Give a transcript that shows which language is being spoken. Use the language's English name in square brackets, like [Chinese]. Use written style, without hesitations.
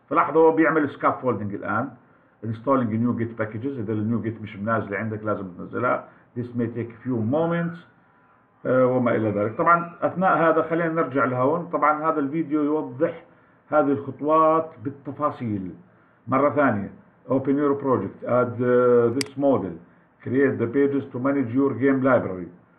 [Arabic] فلاحظوا بيعمل [English] Scaffolding الان installing NuGet packages. [Arabic] اذا النيو جيت مش منازل عندك لازم تنزلها. [English] This may take a few moments [Arabic] وما الى ذلك. طبعا اثناء هذا خلينا نرجع لهون. طبعا هذا الفيديو يوضح هذه الخطوات بالتفاصيل مره ثانيه. [English] open your project add this model create the pages to manage your game library.